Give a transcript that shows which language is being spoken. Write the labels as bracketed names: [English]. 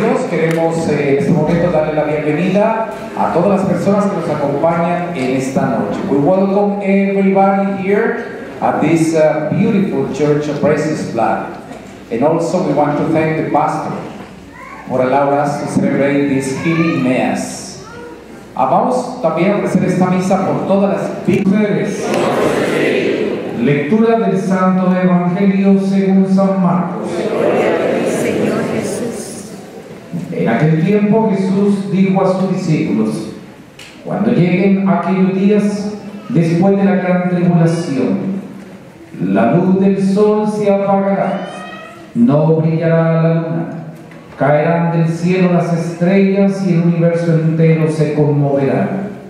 [Spanish] queremos en este momento darle la bienvenida a todas las personas que nos acompañan en esta noche. [English] We welcome everybody here at this beautiful church of Precious Blood. And also we want to thank the pastor for allowing us to celebrate this healing mass. [Spanish] Vamos también a ofrecer esta misa por todas las víctimas. Lectura del Santo Evangelio según San Marcos. En aquel tiempo Jesús dijo a sus discípulos: cuando lleguen aquellos días, después de la gran tribulación, la luz del sol se apagará, no brillará la luna, caerán del cielo las estrellas y el universo entero se conmoverá.